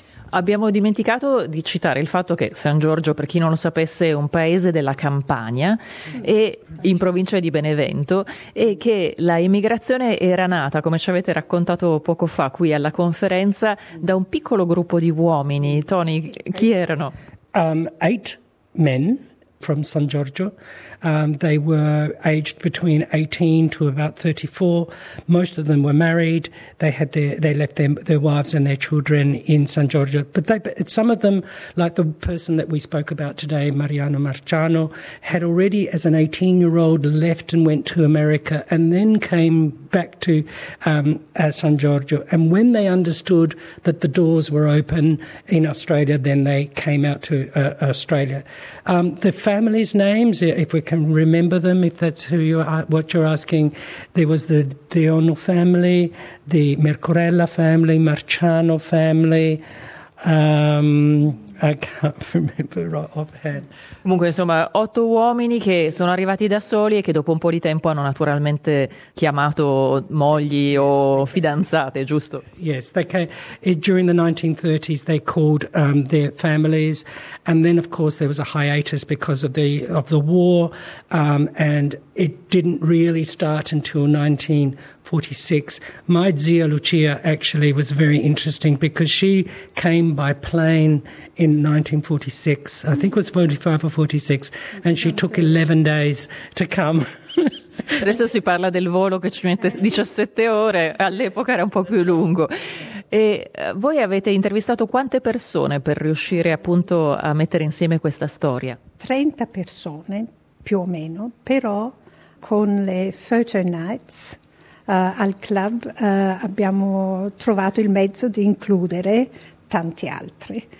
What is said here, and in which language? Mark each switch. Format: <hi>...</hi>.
<it>Abbiamo dimenticato di citare il fatto che San Giorgio, per chi non lo sapesse, è un paese della Campania e in provincia di Benevento, e che la emigrazione era nata, come ci avete raccontato poco fa qui alla conferenza, da un piccolo gruppo di uomini. Tony, chi erano?</it> <en>Eight men from San Giorgio. They were aged between 18 to about 34. Most of them were married. They left their wives and their children in San Giorgio. But some of them, like the person that we spoke about today, Mariano Marciano, had already as an 18-year-old left and went to America and then came back to San Giorgio. And when they understood that the doors were open in Australia, then they came out to Australia. The families' names, if we can remember them, if that's who you are, what you're asking, there was the De Ono family, the Mercurella family, Marciano family. I can't remember right offhand.</en> <it>Comunque, insomma, otto uomini che sono arrivati da soli e che dopo un po' di tempo hanno naturalmente chiamato mogli o fidanzate, giusto?</it> <en>Yes, they came during the 1930s. They called their families, and then of course there was a hiatus because of the war, and it didn't really start until 1946. My zia Lucia actually was very interesting because she came by plane in 1946, I think it was 45 or 46, and she took 11 days to come.</en> <it>Adesso si parla del volo che ci mette 17 ore, all'epoca era un po' più lungo. E voi avete intervistato quante persone per riuscire appunto a mettere insieme questa storia? 30 persone, più o meno, però con le Photo Nights al club abbiamo trovato il mezzo di includere tanti altri.</it>